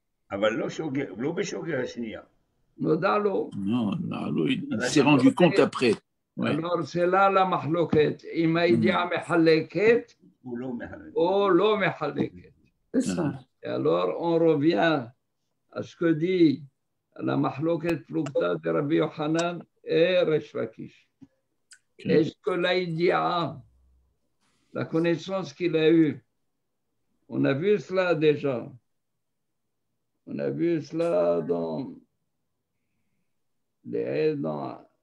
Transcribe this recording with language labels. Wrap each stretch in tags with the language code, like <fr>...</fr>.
<he>אבל לא שוגר, לא בשוגר השנייה. נודע לו.</he> <fr>נו, il s'est rendu compte après. Alors c'est là la מחלוקת,</fr> <he>אם הידיעה מחלקת, או לא מחלקת.</he> <fr>Alors on revient à ce que dit la</fr> <he>מחלוקת פלוגתא</he> <fr>de רבי יוחנן et Resh Lakish. Est-ce que la הידיעה, la connaissance qu'il a eue, on a vu cela déjà, on a vu cela dans les haies dans</fr>